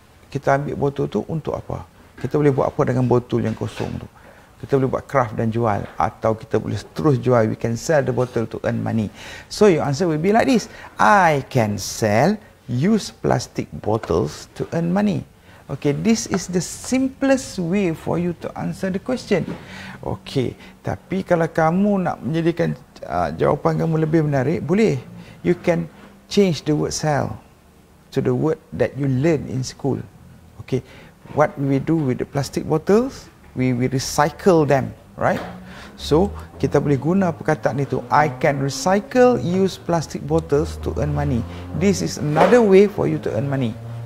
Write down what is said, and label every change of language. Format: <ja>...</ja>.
<ms>Kita ambil botol tu untuk apa? Kita boleh buat apa dengan botol yang kosong tu? Kita boleh buat craft dan jual. Atau kita boleh terus jual.</ms> <en>We can sell the bottle to earn money. So your answer will be like this. I can sell used plastic bottles to earn money. Okay, this is the simplest way for you to answer the question.</en> <ms>Okay, tapi kalau kamu nak menjadikan jawapan kamu lebih menarik, boleh.</ms> <en>You can change the word sell to the word that you learn in school. Okay, what we do with the plastic bottles, we recycle them, right?</en> <ms>So, kita boleh guna perkataan itu.</ms> <en>I can recycle used plastic bottles to earn money. This is another way for you to earn money.</en>